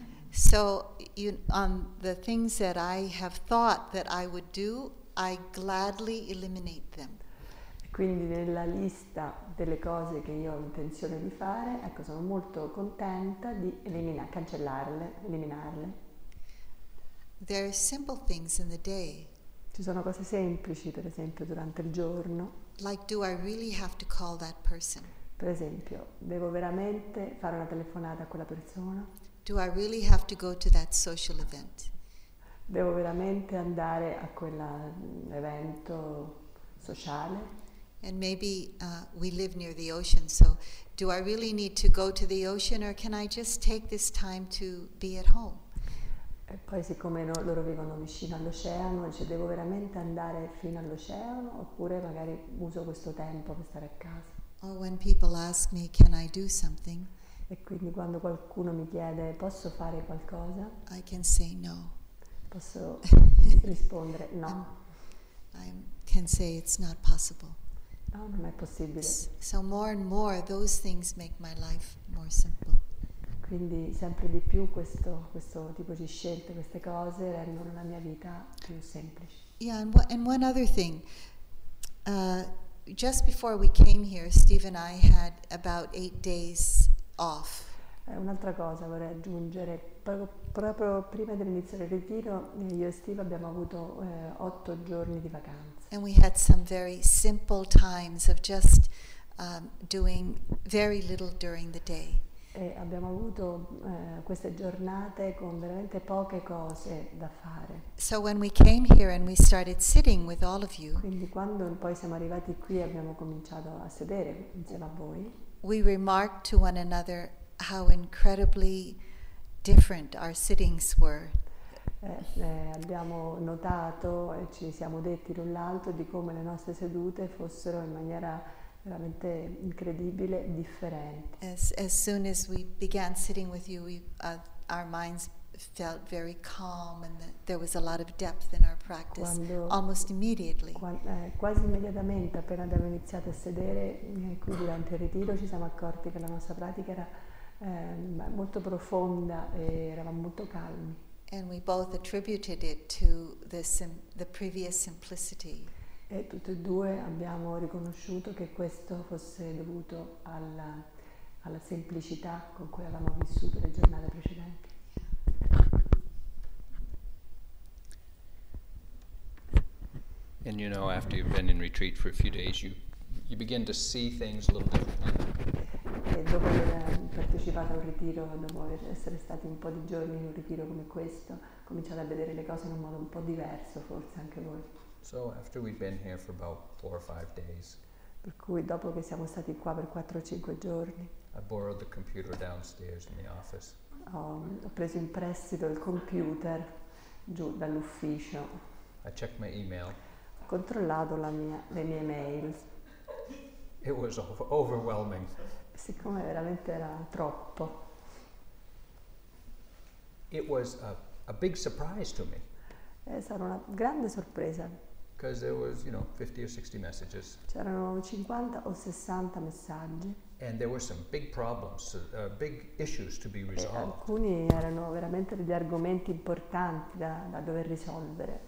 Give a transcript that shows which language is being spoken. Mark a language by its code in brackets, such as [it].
[en] So you, on the things that I have thought that I would do, I gladly eliminate them. [it] Quindi nella lista delle cose che io ho intenzione di fare, ecco, sono molto contenta di cancellarle. [en] There are simple things in the day. [it] Ci sono cose semplici, per esempio, durante il giorno. [en] Like, do I really have to call that person? [it] Per esempio, devo veramente fare una telefonata a quella persona? [en] Do I really have to go to that social event? [it] Devo veramente andare a quell'evento sociale? [en] And maybe we live near the ocean, so do I really need to go to the ocean, or can I just take this time to be at home? [it] E poi siccome loro vivono vicino all'oceano, cioè devo veramente andare fino all'oceano, oppure magari uso questo tempo per stare a casa? [en] Or when people ask me, can I do something? [it] E quindi quando qualcuno mi chiede, posso fare qualcosa? [en] I can say no. [it] Posso rispondere no. [en] I can say it's not possible. [it] Oh, non è possibile. [en] So more and more those things make my life more simple. [it] Quindi sempre di più questo tipo di scelte, queste cose rendono la mia vita più semplice. [en] Yeah, and one other thing. Just before we came here, Steve and I had about 8 days off. [it] Un'altra cosa vorrei aggiungere. Proprio prima dell'iniziare il ritiro, io e Steve abbiamo avuto 8 giorni di vacanza. [en] And we had some very simple times of just doing very little during the day. [it] E abbiamo avuto queste giornate con veramente poche cose da fare. [en] So when we came here and we started sitting with all of you. [it] Quindi quando poi siamo arrivati qui abbiamo cominciato a sedere insieme a voi. [en] We remarked to one another how incredibly different our sittings were. [it] Abbiamo notato e ci siamo detti l'un l'altro di come le nostre sedute fossero in maniera veramente incredibile differenti. [en] As soon as we began sitting with you, our minds felt very calm and there was a lot of depth in our practice. [it] Quando, [en] almost immediately. [it] Quasi immediatamente, appena abbiamo iniziato a sedere qui durante il ritiro, ci siamo accorti che la nostra pratica era molto profonda e eravamo molto calmi. [en] And we both attributed it to the previous simplicity. [it] E tutte e due abbiamo riconosciuto che questo fosse dovuto alla semplicità con cui avevamo vissuto le giornate precedenti. [en] And you know, after you've been in retreat for a few days, you begin to see things a little differently. [it] E dopo aver partecipato a un ritiro, dopo essere stati un po' di giorni in un ritiro come questo, cominciate a vedere le cose in un modo un po' diverso, forse anche voi. [en] So after we've been here for about 4 or 5 days. [it] Per cui dopo che siamo stati qua per 4 o 5 giorni. [en] I borrowed the computer downstairs in the office. [it] Ho preso in prestito il computer giù dall'ufficio. [en] I checked my email. [it] Ho controllato le mie mail. [en] It was overwhelming. [it] Siccome veramente era troppo. [en] It was a big surprise to me. [it] È stata una grande sorpresa. [en] Because there was, you know, 50 or 60 messages. [it] C'erano 50 o 60 messaggi. [en] And there were some big problems, big issues to be resolved. [it] E alcuni erano veramente degli argomenti importanti da dover risolvere.